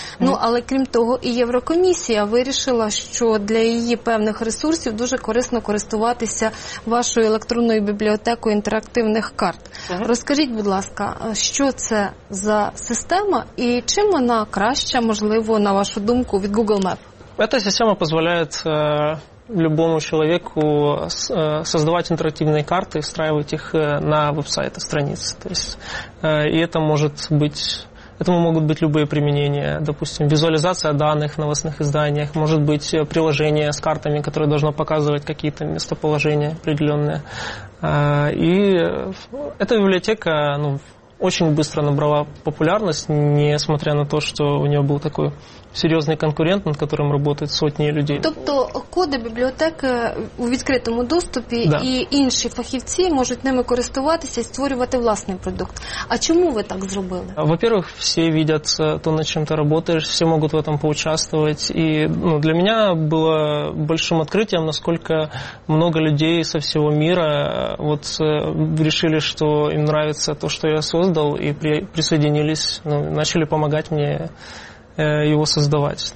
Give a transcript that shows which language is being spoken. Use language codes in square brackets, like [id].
[uk] Ну, але крім того, і Єврокомісія вирішила, що для її певних ресурсів дуже корисно користуватися вашою електронною бібліотекою інтерактивних карт. Розкажіть, будь ласка, що це за система і чим вона краща, можливо, на вашу думку, від Google Maps? [ru] Эта система позволяет любому человеку создавать интерактивные карты и встраивать их на веб-сайты, страницы. То есть, и это может быть, этому могут быть любые применения. Допустим, визуализация данных в новостных изданиях, может быть приложение с картами, которое должно показывать какие-то местоположения определенные. И эта библиотека, ну, очень быстро набрала популярность, несмотря на то, что у нее был такой серйозний конкурент, над которим работают [uk] сотні людей. Тобто коди бібліотеки у відкритому доступі, [ru] да, [uk] і інші фахівці можуть ними користуватися і створювати власний продукт. А чому ви так зробили? [ru] Во-первых, все видят то, над чем ты работаешь, все могут в этом поучаствовать. И, ну, для меня было большим открытием, насколько много людей со всего мира вот решили, что им нравится то, что я создал, и присоединились, ну, начали помогать мне его создавать.